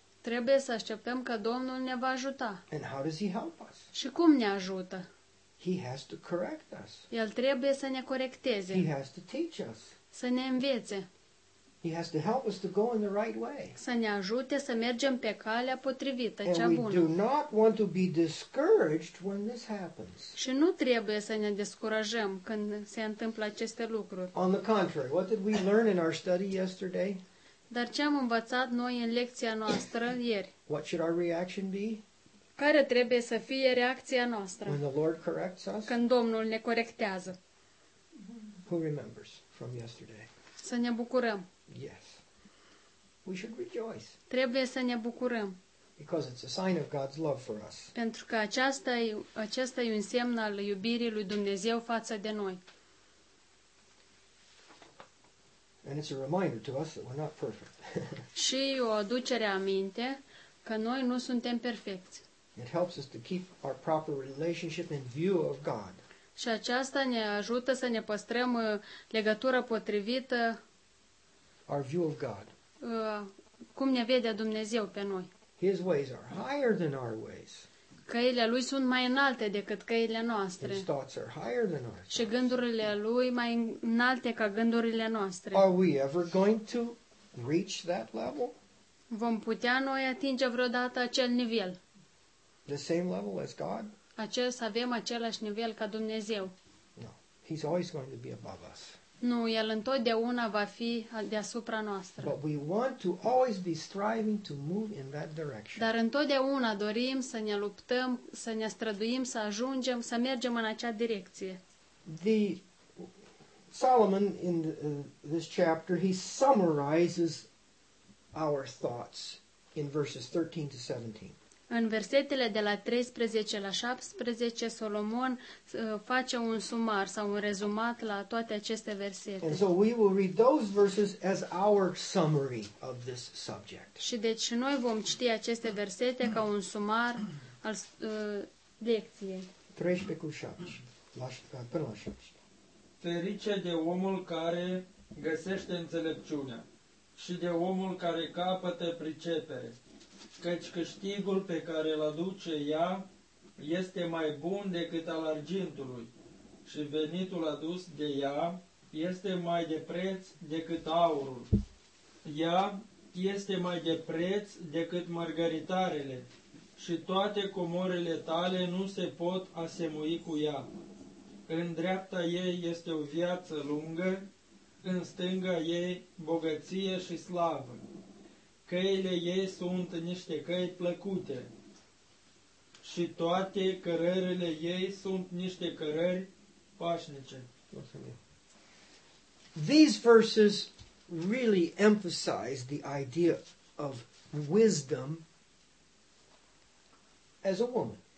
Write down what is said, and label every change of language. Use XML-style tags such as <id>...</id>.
<ro>Trebuie să așteptăm că Domnul ne va ajuta.</ro> <en>And how does he help us?</en> <ro>Și cum ne ajută?</ro> <en>He has to correct us.</en> <ro>El trebuie să ne corecteze.</ro> <en>He has to teach us.</en> <ro>Să ne învețe.</ro> <en>He has to help us to go in the right way.</en> <ro>Să ne ajute să mergem pe calea potrivită, cea bună.</ro> <en>And we do not want to be discouraged when this happens.</en> <ro>Și nu trebuie să ne descurajăm când se întâmplă aceste lucruri.</ro> <en>On the contrary, what did we learn in our study yesterday?</en> <ro>Dar ce am învățat noi în lecția noastră ieri?</ro> <en>What should our reaction be?</en> <ro>Care trebuie să fie reacția noastră?</ro> <en>When the Lord corrects us?</en> <ro>Când Domnul ne corectează.</ro> <en>Who remembers from yesterday?</en> <ro>Să ne bucurăm.</ro> <en>Yes. We should rejoice.</en> <ro>Trebuie să ne bucurăm.</ro> <en>Because it's a sign of God's love for us.</en> <ro>Pentru că acesta e un semn al iubirii lui Dumnezeu față de noi.</ro> <en>And it's a reminder to us that we're not perfect.</en> <ro>Și e o aducere aminte că noi nu suntem perfecți.</ro> <en>It helps us to keep our proper relationship in view of God.</en> <ro>Și aceasta ne ajută să ne păstrăm legătura potrivită.</ro> <en>Our view of God.</en> <ro>Cum ne vede Dumnezeu pe noi.</ro> <en>His ways are higher than our ways.</en> <ro>Căile lui sunt mai înalte decât căile noastre.</ro> <en>His thoughts are higher than our</en> <ro>thoughts. Și gândurile lui mai înalte ca gândurile noastre.</ro> <en>Are we ever going to reach that level?</en> <ro>Vom putea noi atinge vreodată acel nivel?</ro> <en>The same level as God?</en> <ro>Acest, avem același nivel ca Dumnezeu.</ro> <en>No, he's always going to be above us.</en> <ro>Nu, el întotdeauna va fi deasupra noastră.</ro> <en>But we want to always be striving to move in that direction.</en> <ro>Dar întotdeauna dorim să ne luptăm, să ne străduim, să ajungem, să mergem în acea direcție.</ro> <en>Solomon in this chapter, he summarizes our thoughts in verses 13 to 17.</en> <ro>În versetele de la 13 la 17, Solomon face un sumar sau un rezumat la toate aceste versete.</ro> <en>And so we will read those verses as our summary of this subject.</en> <ro>Și deci noi vom citi aceste versete ca un sumar al lecției. 13 cu 17, până la 17. Ferice de omul care găsește înțelepciunea și de omul care capătă pricepere. Căci câștigul pe care îl aduce ea este mai bun decât al argintului și venitul adus de ea este mai de preț decât aurul. Ea este mai de preț decât mărgăritarele și toate comorile tale nu se pot asemui cu ea. În dreapta ei este o viață lungă, în stânga ei bogăție și slavă. Căile ei sunt niște căi plăcute și toate cărările ei sunt niște cărări pașnice.</ro> <en>These verses really emphasize the idea of wisdom as a woman.</en>